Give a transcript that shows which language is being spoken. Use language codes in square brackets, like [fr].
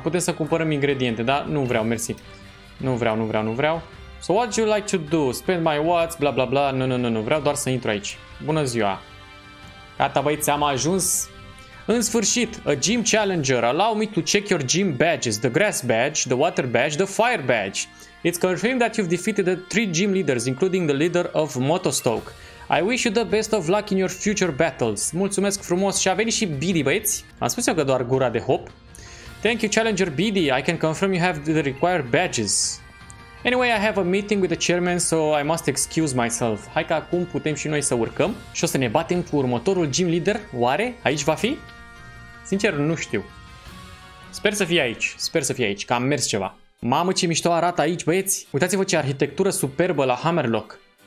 [ro] Putem să cumpărăm ingrediente, dar nu vreau, mersi. Nu vreau. [en] So what do you like to do? Spend my watts, bla bla bla. [ro] Nu. Vreau doar să intru aici. Bună ziua. Gata băieți, am ajuns. În sfârșit, [en] a gym challenger. Allow me to check your gym badges. The grass badge, the water badge, the fire badge. It's confirmed that you've defeated the 3 gym leaders, including the leader of Motostoke. I wish you the best of luck in your future battles. [ro] Mulțumesc frumos și a venit și Bidi, băieți. Am spus eu că doar gura de hop. [en] Thank you, challenger Bidi. I can confirm you have the required badges. Anyway, I have a meeting with the chairman, so I must excuse myself. [ro] Hai că acum putem și noi să urcăm și o să ne batem cu următorul gym leader. Oare aici va fi? Sincer, nu știu. Sper să fie aici, că am mers ceva. Mamă, ce mișto arată aici, băieți! Uitați-vă ce arhitectură superbă la Hammerlock!